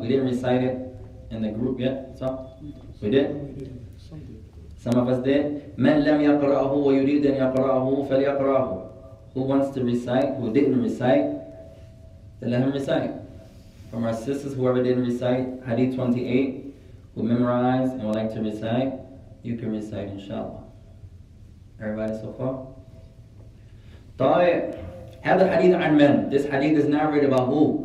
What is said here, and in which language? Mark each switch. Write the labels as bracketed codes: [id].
[en] We didn't recite it in the group yet. So we did. Some of us did. [ar] من لم يقرأه ويريد أن يقرأه فليقرأه. [en] Who wants to recite? Who didn't recite? Then let him recite. From our sisters, whoever didn't recite hadith 28, who memorized and would like to recite, you can recite inshallah. Everybody so far? [ar] طيب هذا الحديث عن من؟ [en] This hadith is narrated by who?